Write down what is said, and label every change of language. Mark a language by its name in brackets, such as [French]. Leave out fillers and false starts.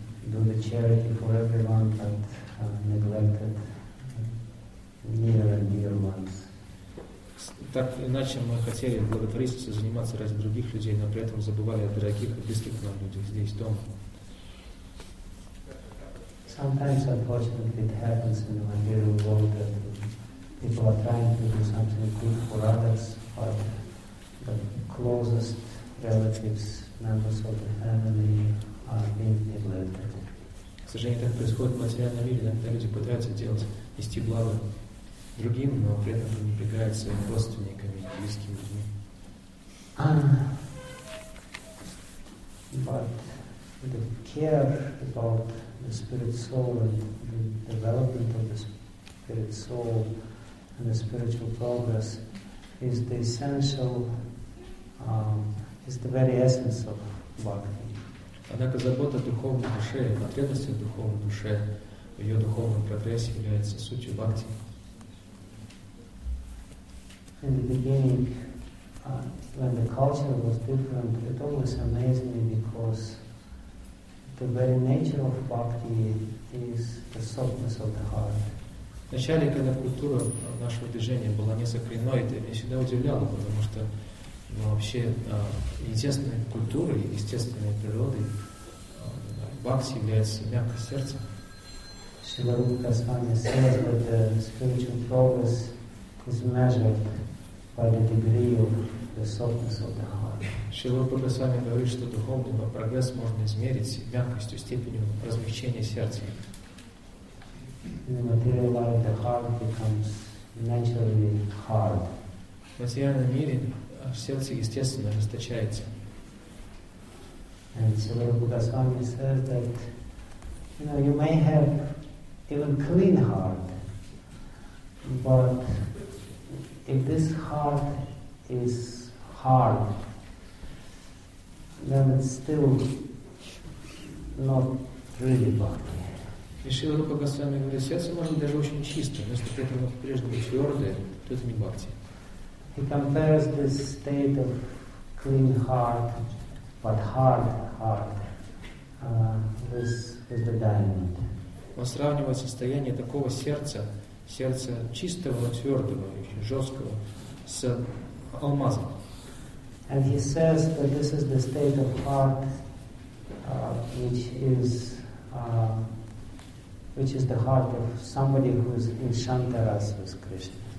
[English] Do the charity for everyone, but neglected near and dear ones. [Russian] Так иначе мы хотели благотворительностью заниматься ради других людей, но при этом забывали о дорогих и близких нам людях здесь дома. [English] Sometimes, unfortunately, it happens in the material world that people are trying to do something good for others, but the closest relatives, members of the family, are being neglected. [Russian] К сожалению, так происходит в материальном мире, когда люди пытаются делать, нести благо другим, но при этом пренебрегают своими родственниками, близкими людьми. [English] But the care about the spirit soul and the development of the spirit soul and the spiritual progress is the essential, is the very essence of bhakti. [Russian] Однако забота о духовной душе, о потребности в духовной душе, в ее духовном прогрессе является сутью бхакти. [English] In the beginning, when the culture was different, it always amazed me because the very nature of bhakti is the softness of the heart. [Russian] Вначале, когда культура нашего движения была несколько иной, это меня всегда удивляло, потому что но вообще естественной культурой, естественной природой бхакти является мягкость сердца. [English] Шрила Рупа Госвами says that the spiritual progress is measured by the degree of the softness of the heart. [Russian] Шрила Рупа Госвами говорит, что духовный прогресс можно измерить мягкостью, степенью размягчения сердца. [English] In the material life, the heart becomes naturally hard. [Russian] В материальном мире в сердце, естественно, расточается. [English] And Srila Rupa Goswami says that you know you may have even clean heart, but if this heart is hard, then it's still not really bhakti. [Russian] И Srila Rupa Goswami говорит, сердце может быть даже очень чистое, но если при этом по-прежнему твердое, то это не бхакти. [English] He compares this state of clean heart, but hard heart, with the diamond. [Russian] Он сравнивает состояние такого сердца, сердца чистого, твердого, еще жесткого, с алмазом. [English] And he says that this is the state of heart, which is the heart of somebody who is in Shantaras with Krishna.